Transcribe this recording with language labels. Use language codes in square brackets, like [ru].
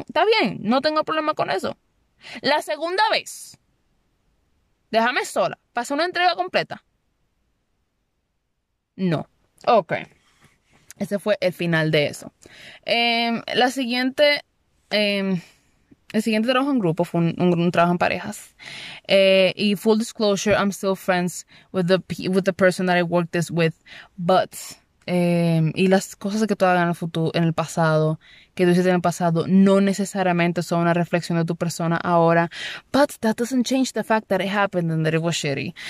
[es] Está bien, no tengo problema con eso. La segunda vez, déjame sola, pasa una entrega completa. No, ok. Ese fue el final de eso. El siguiente trabajo en grupo fue un trabajo en parejas. [en] Y full disclosure, I'm still friends with the person that I worked this with, but. [es] Y las cosas que tú hagas en el futuro, en el pasado, que tú hiciste en el pasado, no necesariamente son una reflexión de tu persona ahora. [en] But that doesn't change the fact that it happened and that it was shitty.